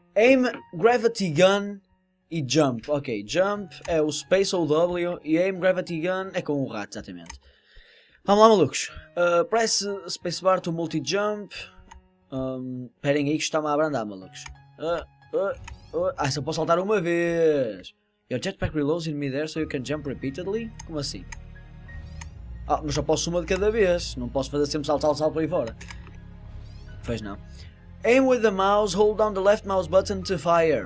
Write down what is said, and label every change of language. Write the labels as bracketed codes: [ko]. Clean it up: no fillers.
[en] Aim, gravity gun e jump. [pt] Ok, jump é o space ou W e aim, gravity gun é com o rato, exatamente. Vamos lá, malucos. [en] Press spacebar to multi-jump. [pt] Esperem aí que está-me a abrandar, malucos. Ah, só posso saltar uma vez. [en] Your jetpack reloads in mid-air so you can jump repeatedly? [pt] Como assim? Ah, mas só posso uma de cada vez. Não posso fazer sempre salto para aí fora. Pois não. [en] Aim with the mouse, hold down the left mouse button to fire.